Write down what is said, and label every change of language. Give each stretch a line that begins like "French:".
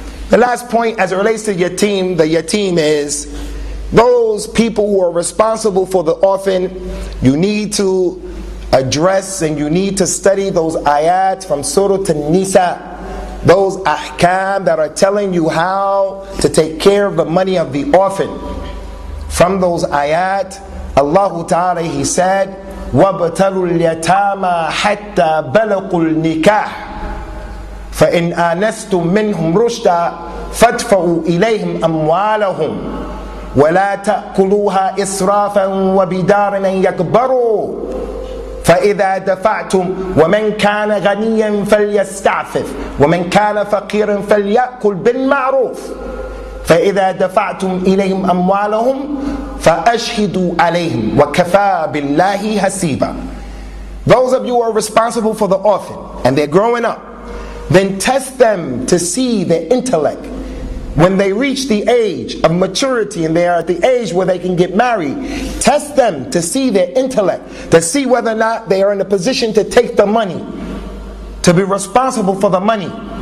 English: The last point, as it relates to yatim, the yatim is those people who are responsible for the orphan. You need to address and you need to study those ayat from Surah An-Nisa, those ahkam that are telling you how to take care of the money of the orphan. From those ayat, Allah Ta'ala, He said,
Arabic: وَابْتَلُوا الْيَتَامَى حَتَّى بَلَقُوا النِّكَاحِ فَإِنْ آنَسْتُم مِّنْهُمْ رُشْدًا فَادْفَعُوا إِلَيْهِمْ أَمْوَالَهُمْ وَلَا تَأْكُلُوهَا إِسْرَافًا وَبِدَارًا أَن يَكْبَرُوا فَإِذَا دَفَعْتُمْ وَمَنْ كَانَ غَنِيًّا فَلْيَسْتَعْفِفْ وَمَنْ كَانَ فَقِيرًا فَلْيَأْكُلْ بِالْمَعْرُوفِ فَإِذَا دَفَعْتُمْ إِلَيْهِمْ أَمْوَالَهُمْ فَأَشْهِدُوا عَلَيْهِمْ وَكَفَى بِاللَّهِ حَسِيبًا.
English: Those of you who are responsible for the orphan and they're growing up, then test them to see their intellect. When they reach the age of maturity and they are at the age where they can get married, test them to see their intellect, to see whether or not they are in a position to take the money, to be responsible for the money.